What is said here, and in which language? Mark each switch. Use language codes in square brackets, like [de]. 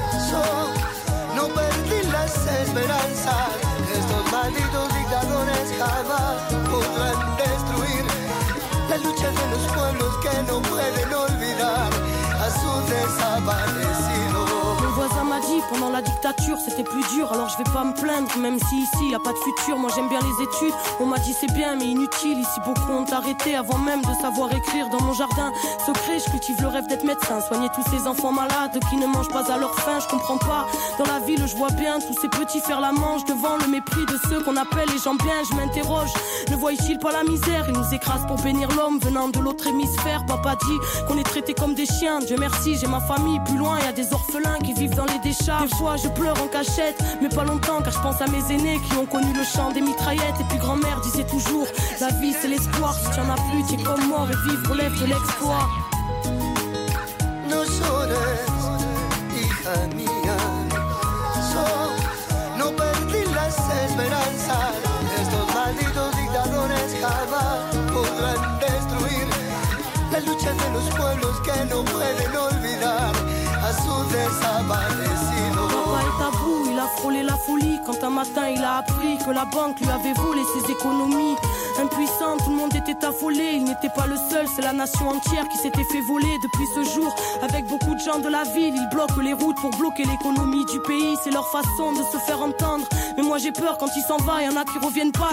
[es] Yo no perdí las esperanzas. Estos malditos dictadores jamás podrán destruir la lucha de los pueblos que no pueden olvidar. [fr] Mon voisin m'a dit pendant la dictature c'était plus dur. Alors je vais pas me plaindre même si ici y a pas de futur. Moi j'aime bien les études, on m'a dit c'est bien mais inutile. Ici beaucoup ont arrêté avant même de savoir écrire. Dans mon jardin secret je cultive le rêve d'être médecin, soigner tous ces enfants malades qui ne mangent pas à leur faim. Je comprends pas, dans la ville je vois bien tous ces petits faire la manche devant le mépris de ceux qu'on appelle les gens bien. Je m'interroge, ne voient-ils pas la misère? Ils nous écrasent pour bénir l'homme venant de l'autre hémisphère. Papa dit qu'on est traités comme des chiens. Dieu merci, j'ai ma famille. Plus loin, y'a des orphelins qui vivent dans les décharges. Des fois, je pleure en cachette, mais pas longtemps, car je pense à mes aînés qui ont connu le chant des mitraillettes. Et puis grand-mère disait toujours, la vie c'est l'espoir. Si t'y en as plus, t'es comme mort et vivre lève de l'exploit. [es] No llores, hija mía. Yo no perdí las esperanzas. Estos malditos dictadores jamás podrán destruir la lucha de los pueblos que no pueden olvidar a sus desaparecidos. [fr] Il a frôlé la folie quand un matin il a appris que la banque lui avait volé ses économies. Impuissant, tout le monde était affolé. Il n'était pas le seul, c'est la nation entière qui s'était fait voler. Depuis ce jour, avec beaucoup de gens de la ville, ils bloquent les routes pour bloquer l'économie du pays. C'est leur façon de se faire entendre. Mais moi j'ai peur quand ils s'en vont, il y en a qui reviennent pas.